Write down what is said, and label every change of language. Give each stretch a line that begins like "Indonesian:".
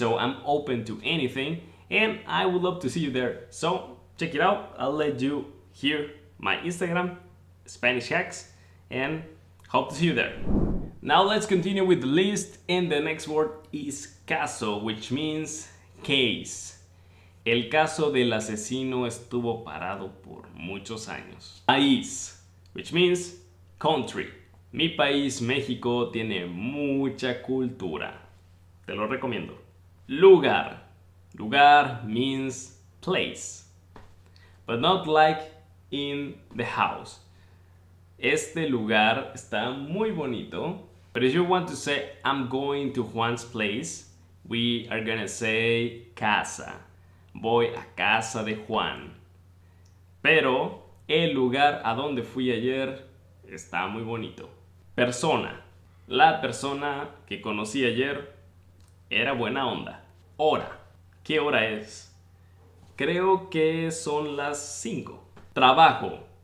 English: So I'm open to anything and I would love to see you there. So check it out. I'll let you hear my Instagram, Spanish Hacks, and hope to see you there. Now let's continue with the list, and the next word is caso, which means case.
Spanish: El caso del asesino estuvo parado por muchos años. País,
English: which means country.
Spanish: Mi país, México, tiene mucha cultura. Te lo recomiendo. Lugar.
English: Lugar means place. But not like in the house.
Spanish: Este lugar está muy bonito.
English: But if you want to say, I'm going to Juan's place, we are gonna say casa.
Spanish: Voy a casa de Juan. Pero el lugar a donde fui ayer está muy bonito. Persona. La persona que conocí ayer era buena onda. Hora. ¿Qué hora es? Creo que son las 5. Trabajo.